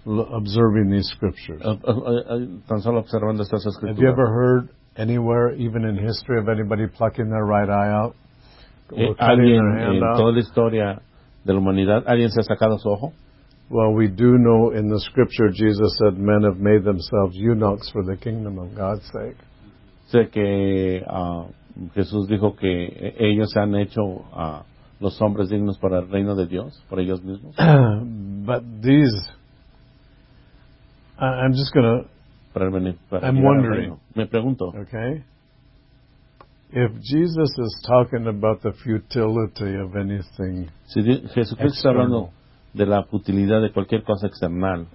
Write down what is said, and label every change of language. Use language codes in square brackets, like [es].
[en] Observing these scriptures. [es] Tan solo observando estas escrituras. [en] Have you ever heard anywhere, even in history, of anybody plucking their right eye out? [es] Alguien en toda la historia de la humanidad, alguien se ha sacado su ojo? [en] Well, we do know in the scripture Jesus said men have made themselves eunuchs for the kingdom of God's sake. [es] Sé que Jesús dijo que ellos se han hecho los hombres dignos para el reino de Dios, para ellos mismos. [en] But these, I'm just going to, I'm wondering, [es] me pregunto, [en] okay, if Jesus is talking about the futility of anything [es] si Jesucristo [en] external, [es] está hablando de la futilidad de cualquier cosa external,